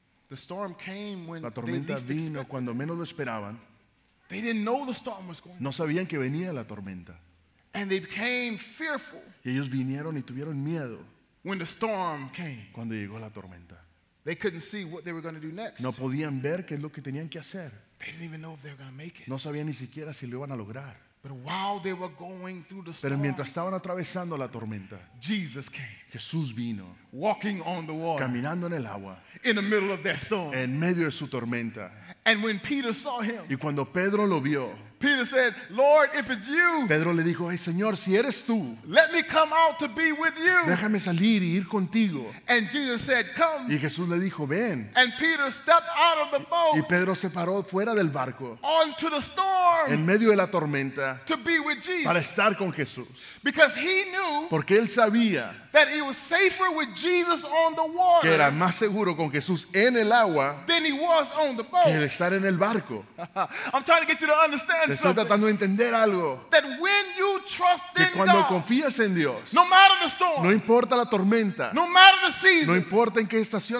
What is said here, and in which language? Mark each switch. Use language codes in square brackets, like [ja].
[en] The storm came when [es] la tormenta vino cuando menos lo esperaban. [en] They didn't know the storm was going. [es] No sabían que venía la tormenta. [en] And they became fearful. [es] Y ellos vinieron y tuvieron miedo. [en] When the storm came. [es] Cuando llegó la tormenta. [en] They couldn't see what they were going to do next. [es] No podían ver qué es lo que tenían que hacer. [en] They didn't even know if they were going to make it. [es] No sabían ni siquiera si lo iban a lograr. [en] But while they were going through the storm, [es] pero mientras estaban atravesando la tormenta, [en] Jesus came. [es] Jesús vino. [en] Walking on the water. [es] Caminando en el agua. [en] In the middle of that storm. [es] En medio de su tormenta. [en] And when Peter saw him, [es] y cuando Pedro lo vio, [en] Peter said, "Lord, if it's you, [es] Pedro le dijo, hey, Señor, si eres tú, [en] let me come out to be with you. [es] Déjame salir y ir contigo." [en] And Jesus said, "Come." [es] Y Jesús le dijo, ven. [en] And Peter stepped out of the boat. [es] Y Pedro se paró fuera del barco. [en] Onto the storm. [es] En medio de la tormenta. [en] To be with Jesus. [es] Para estar con Jesús. [en] Because he knew. [es] Porque él sabía. [en] That it was safer with Jesus on the water. [es] Que era más seguro con Jesús en el agua. [en] Than he was on the boat. [es] Que estar en el barco. [en] I'm trying to get you to understand. [es] Estoy tratando de entender algo. [en] That when you trust in [es] que cuando [en] God, [es] confías en Dios, [en] no matter the storm, [es] no importa la tormenta, [en] no matter the season, [es] no importa en qué estación